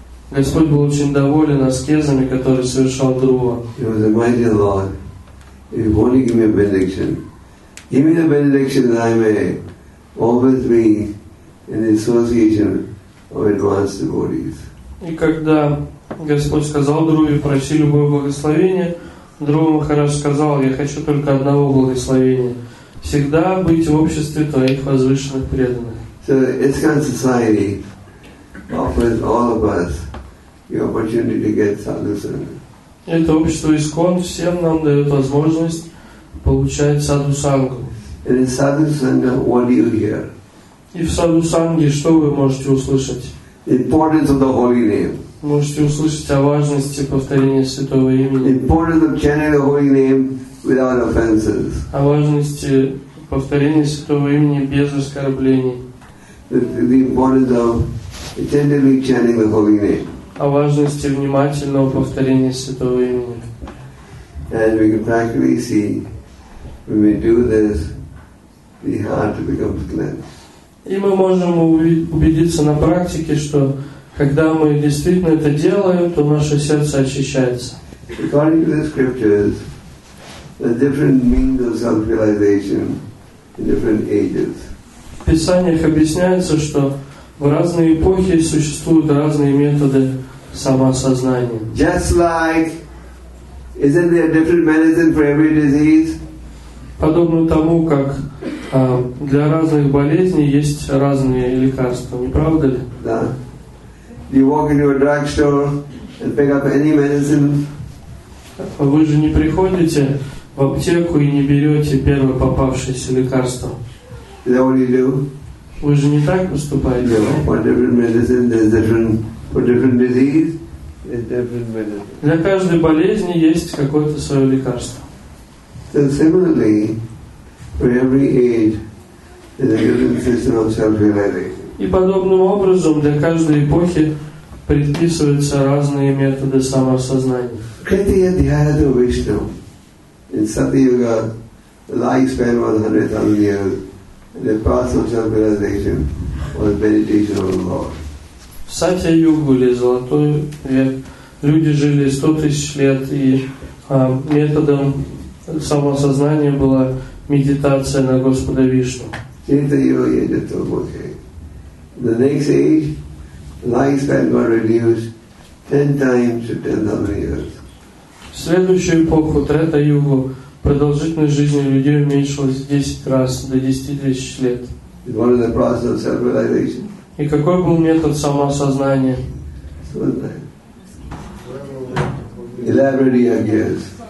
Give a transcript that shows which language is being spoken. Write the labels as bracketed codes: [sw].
[ru] Господь был очень доволен аскезами, которые совершал Друва. [en] He was a mighty Lord. If you only give me a benediction, give me the benediction that I may always be in the association of advanced devotees. [ru] И когда Господь сказал Друве, проси любое благословение, Друва Махарадж сказал, я хочу только одного благословения. Всегда быть в обществе твоих возвышенных преданных. [en] So, ISKCON Society offers all of us the opportunity to get sadhusana. [ru] Это общество ISKCON всем нам дает возможность получать садху-сангу. [en] And in sadhusanga, what do you hear? [ru] И в садху-санге что вы можете услышать? [en] The importance of the holy name. [ru] Можете услышать о важности повторения святого имени. [en] Importance of chanting the holy name without offenses. [ru] О важности повторения святого имени без оскорблений. [en] The importance of attentively chanting the holy name. [ru] О важности внимательного повторения святого имени. [en] And we can practically see when we do this, the heart becomes cleansed. [ru] И мы можем убедиться на практике, что когда мы действительно это делаем, то наше сердце очищается. [en] According to the scriptures, the different means of self-realization in different ages. [ru] В писаниях объясняется, что в разные эпохи существуют разные методы самоосознания. [en] Just like, isn't there different medicine for every disease? [ru] Подобно тому, как для разных болезней есть разные лекарства, не правда ли? Да. [en] You walk into a drugstore and pick up any medicine. [ru] Вы же не приходите в аптеку и не берете первое попавшееся лекарство. [en] Is that what you do? [ru] Вы же не так поступаете. [en] No, for different medicine, there's different, for different disease, there's different medicine. [ru] Для каждой болезни есть какое-то свое лекарство. [en] So similarly, for every age, there's a given system of self-realization. [ru] И подобным образом для каждой эпохи предписываются разные методы самоосознания. [en] Kritiya Dhyana to Vishnu in Satyuga, lifespan was 100,000 years, and the path of self-realization was meditation on the Lord. [ru] В Сатья-югу или Золотой век люди жили 100,000 лет, и методом самоосознания была медитация на Господа Вишну. [en] The next age, lifespan was reduced 10 times to 10,000 years. [ru] В следующую эпоху, Трета-югу, продолжительность жизни людей уменьшилась 10 раз до 10,000 лет. [en] It was the process of self-realization. [ru] И какой был метод самоосознания? [en] Elaborate yagyas.